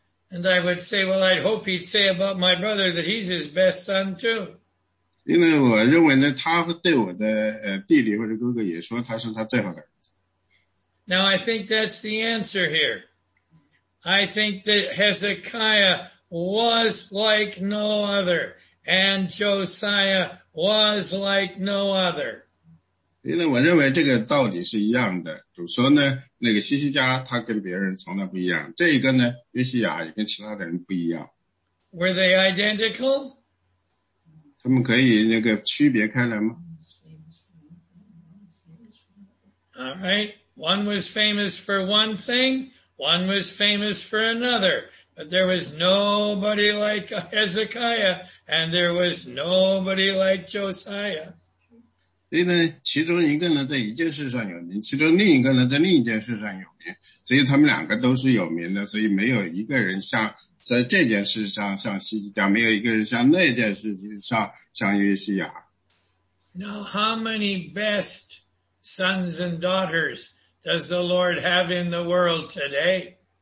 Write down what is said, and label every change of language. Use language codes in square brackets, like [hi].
[en] And I would say, well, I'd hope he'd say about my brother that he's his best son too. [zh] 因为我认为呢，他对我的弟弟或者哥哥也说他是他最好的儿子。 [en] Now I think that's the answer here. I think that Hezekiah was like no other, and Josiah was like no other. [zh] 因为我认为这个道理是一样的。主说呢，那个西西家他跟别人从来不一样。这个呢，约西亚也跟其他的人不一样。 [en] Were they identical? [zh] 他们可以那个区别开来吗？ [en] All right. One was famous for one thing. One was famous for another. But there was nobody like Hezekiah, and there was nobody like Josiah. [zh] 所以呢，其中一个呢在一件事上有名，其中另一个呢在另一件事上有名，所以没有一个人像在这件事上像西西家，没有一个人像那件事上像约西亚。 [en] Now, how many best sons and daughters does the Lord have in the world today?